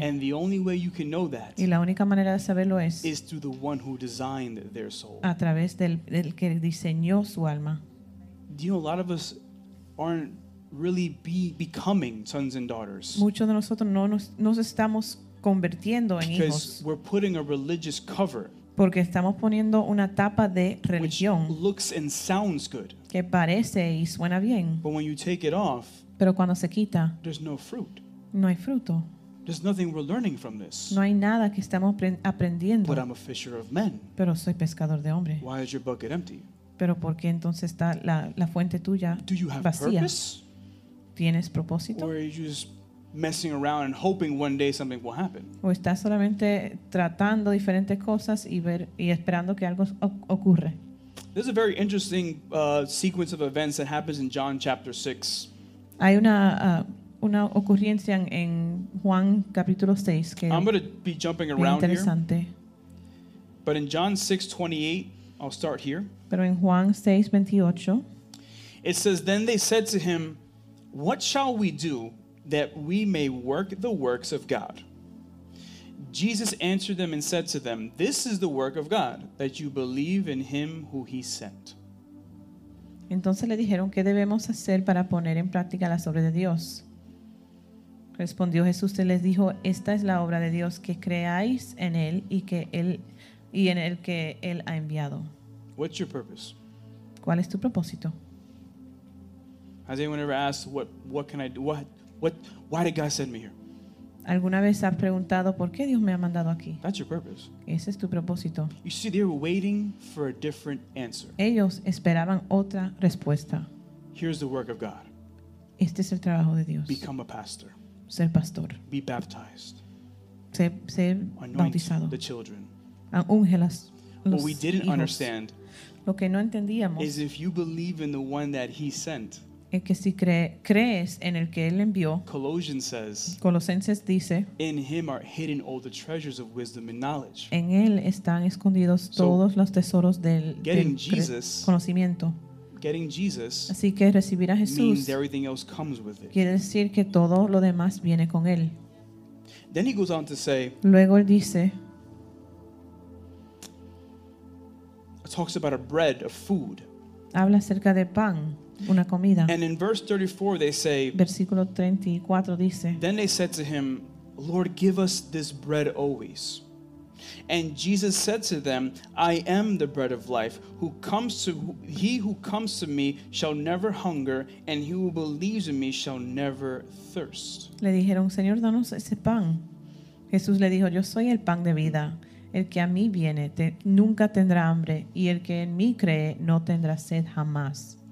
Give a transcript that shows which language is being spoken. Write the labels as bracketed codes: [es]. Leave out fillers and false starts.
[en] And the only way you can know that [es] y la única manera de saberlo es [en] is through the one who designed their soul. [es] A través del que diseñó su alma. [en] Do you know, a lot of us aren't really becoming sons and daughters. [es] Muchos de nosotros no nos estamos convirtiendo en [en] because [es] hijos. [en] We're putting a religious cover. [es] Porque estamos poniendo una tapa de religión. [en] Which looks and sounds good. [es] Que parece y suena bien. [en] But when you take it off, [es] pero cuando se quita, [en] there's no fruit. [es] No hay fruto. [en] There's nothing we're learning from this. [es] No hay nada que estamos aprendiendo. [en] But I'm a fisher of men. [es] Pero soy pescador de hombres. [en] Why is your bucket empty? [es] Pero ¿por qué entonces está la fuente tuya vacía? [en] Do you have purpose? [es] ¿Tienes propósito? [en] Or are you just messing around and hoping one day something will happen? [es] ¿O estás solamente tratando diferentes cosas y esperando que algo ocurra? [en] This is a very interesting sequence of events that happens in John chapter 6. [es] Hay una ocurrencia en Juan capítulo 6 que [en] I'm going to be jumping around [es] interesante. [en] Here. But in John 6:28, I'll start here. [es] Pero en Juan 6:28, [en] it says, "Then they said to him, 'What shall we do that we may work the works of God?' Jesus answered them and said to them, 'This is the work of God, that you believe in him who he sent.'" [es] Entonces le dijeron, ¿qué debemos hacer para poner en práctica las obras de Dios? Respondió Jesús, y les dijo, esta es la obra de Dios, que creáis en él y en el que él ha enviado. [en] What's your purpose? [es] ¿Cuál es tu propósito? [en] Has anyone ever asked what can I do? What why did God send me here? [es] ¿Alguna vez has preguntado por qué Dios me ha mandado aquí? [en] That's your purpose. [es] Ese es tu propósito. [en] You see, they were waiting for a different answer. [es] Ellos esperaban otra respuesta. [en] Here's the work of God. [es] Este es el trabajo de Dios. [en] Become a pastor. [es] Ser pastor. [en] Be baptized. [es] Ser bautizado. [en] The children. [es] Ángelas. [en] What we didn't [es] hijos. [en] Understand [es] lo que no entendíamos [en] is if you believe in the one that he sent. [es] Es que si crees en el que él envió. [en] Colossians says. [es] Colosenses dice. [en] In him are hidden all the treasures of wisdom and knowledge. [es] En él están escondidos todos los tesoros del conocimiento. [en] Getting Jesus. [es] Así que recibir a Jesús [en] means everything else comes with it. [es] Quiere decir que todo lo demás viene con él. [en] Then he goes on to say. [es] Luego él dice. [en] Talks about a bread, a food. [es] Habla acerca de pan, una comida. [en] And in verse 34 they say. [es] Versículo 34 dice. [en] Then they said to him, "Lord, give us this bread always." And Jesus said to them, "I am the bread of life. He who comes to me shall never hunger, and he who believes in me shall never thirst." [es] Le dijeron, "Señor, danos ese pan." Jesús le dijo, "Yo soy el pan de vida. El que a mí viene nunca tendrá hambre, y el que en mí cree no tendrá sed jamás."